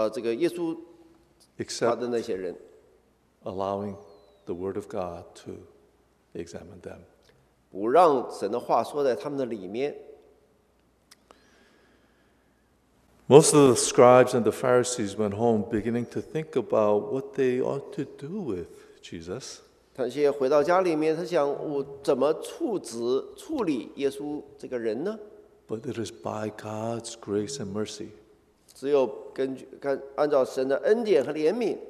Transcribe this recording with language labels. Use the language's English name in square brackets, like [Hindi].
[Chinese] 心中论断所有人，包括这个耶稣他的那些人。 [English] Allowing the word of God to examine them. [Chinese] 不让神的话说在他们的里面。 [English] Most of the scribes and the Pharisees went home beginning to think about what they ought to do with Jesus. [Chinese] 他些回到家里面，他想我怎么处置处理耶稣这个人呢？ [English] But it is by God's grace and mercy. [Chinese] 只有根据按照神的恩典和怜悯。